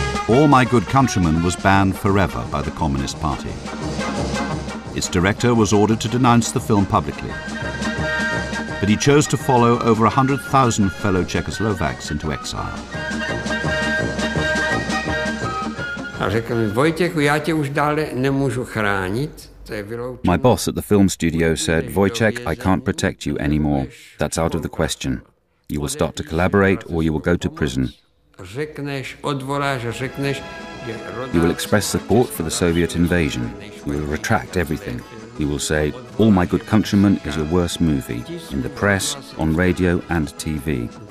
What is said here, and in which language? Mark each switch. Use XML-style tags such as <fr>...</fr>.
<en>All My Good Countrymen was banned forever by the Communist Party. Its director was ordered to denounce the film publicly. But he chose to follow over 100,000 fellow Czechoslovaks into exile.</en> <cs>A řekl mi, Vojtěchu, já tě už dále nemůžu chránit.</cs> <en>My boss at the film studio said, Wojciech, I can't protect you anymore. That's out of the question. You will start to collaborate or you will go to prison. You will express support for the Soviet invasion. You will retract everything. You will say, All My Good Countrymen is your worst movie, in the press, on radio and TV.</en>